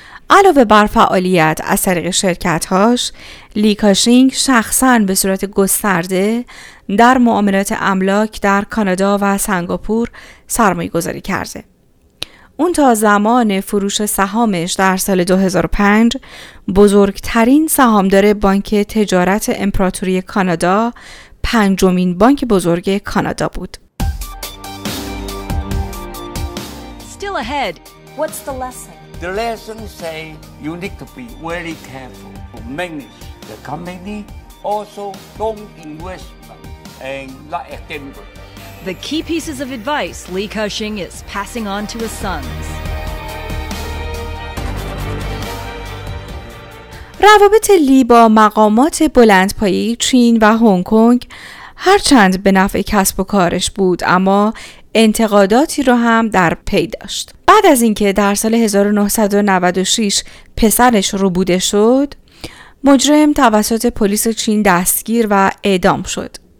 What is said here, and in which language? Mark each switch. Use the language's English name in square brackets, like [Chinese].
[Persian] علاوه بر فعالیت از طریق شرکت‌هاش، لی کاشینگ شخصاً به صورت گسترده در معاملات املاک در کانادا و سنگاپور سرمایه گذاری کرده. اون تا زمان فروش سهامش در سال 2005 بزرگترین سهامدار بانک تجارت امپراتوری کانادا، پنجمین بانک بزرگ کانادا بود. [English] Still ahead. What's the lesson? The lesson say you need to be very careful to manage the company. Also, don't invest and not extend. The key pieces of advice Lee Cushing is passing on to his sons. [Persian] روابط لی با مقامات بلندپایه چین و هنگ کنگ هرچند به نفع کسب و کارش بود، اما انتقاداتی رو هم در پی داشت. بعد از اینکه در سال 1996 پسرش ربوده شد، مجرم توسط پلیس چین دستگیر و اعدام شد.